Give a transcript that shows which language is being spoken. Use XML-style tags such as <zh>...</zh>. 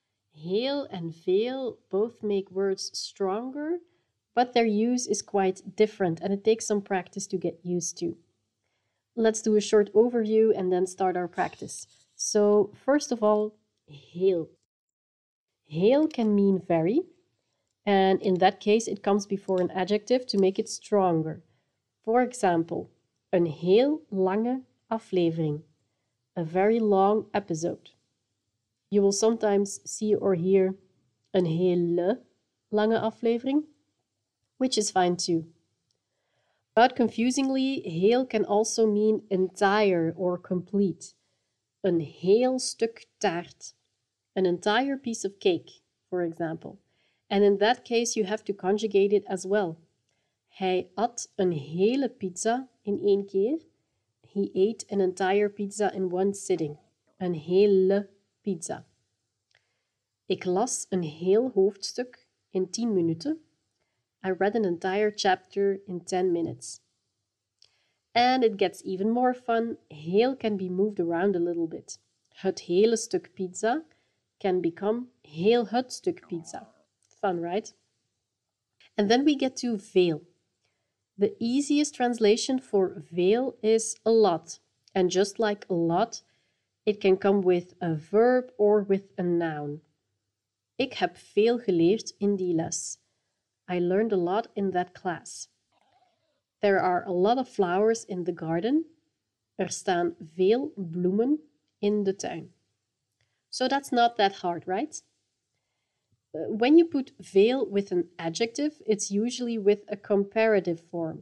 <en>Heel and veel both make words stronger, but their use is quite different and it takes some practice to get used to. Let's do a short overview and then start our practice. So first of all, heel. Heel can mean very, and in that case it comes before an adjective to make it stronger. For example,</en> <nl>een heel lange aflevering,</nl> <en>a very long episode. You will sometimes see or hear</en> <nl>een hele lange aflevering,</nl> <en>which is fine too. But confusingly, heel can also mean entire or complete.</en> <nl>Een heel stuk taart,</nl> <en>an entire piece of cake, for example. And in that case, you have to conjugate it as well.</en> <nl>Hij at een hele pizza in één keer.</nl> <en>He ate an entire pizza in one sitting.</en> <nl>Een hele pizza. Ik las een heel hoofdstuk in 10 minuten.</nl> <en>I read an entire chapter in 10 minutes. And it gets even more fun. Heel can be moved around a little bit.</en> <nl>Het hele stuk pizza</nl> <en>can become</en> <nl>heel het stuk pizza.</nl> <en>Fun, right? And then we get to veel. The easiest translation for veel is a lot. And just like a lot, it can come with a verb or with a noun.</en> <nl>Ik heb veel geleerd in die les.</nl> <en>I learned a lot in that class. There are a lot of flowers in the garden.</en> <nl>Er staan veel bloemen in de tuin.</nl> <en>So that's not that hard, right? When you put veel with an adjective, it's usually with a comparative form.</en>